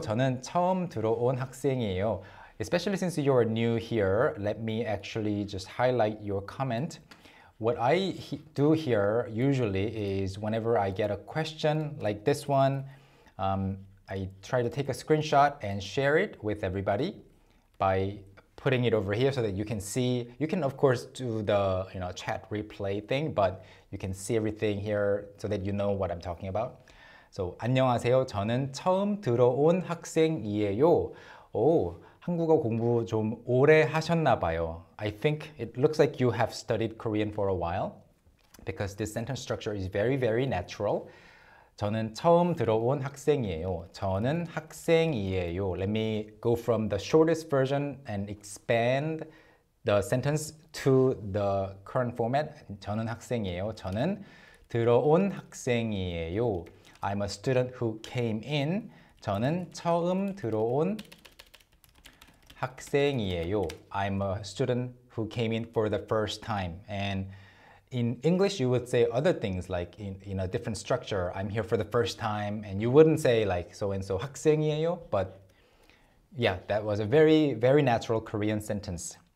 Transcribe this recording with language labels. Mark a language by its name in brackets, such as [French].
[Korean] 저는 처음 들어온 학생이에요. [English] Especially since you are new here, let me actually just highlight your comment. What I do here usually is whenever I get a question like this one, I try to take a screenshot and share it with everybody by putting it over here so that you can see. You can of course do the, you know, chat replay thing, but you can see everything here so that you know what I'm talking about. [Korean] So 안녕하세요. 저는 처음 들어온 학생이에요. 오, 한국어 공부 좀 오래 하셨나 봐요. [English] I think it looks like you have studied Korean for a while because this sentence structure is very, very natural. [Korean] 저는 처음 들어온 학생이에요. 저는 학생이에요. [English] Let me go from the shortest version and expand the sentence to the current format. [Korean] 저는 학생이에요. 저는 들어온 학생이에요. [English] I'm a student who came in. [Korean] 저는 처음 들어온 학생이에요. [English] I'm a student who came in for the first time. And in English, you would say other things like in a different structure. I'm here for the first time. And you wouldn't say like so-and-so 학생이에요. But yeah, that was a very, very natural Korean sentence.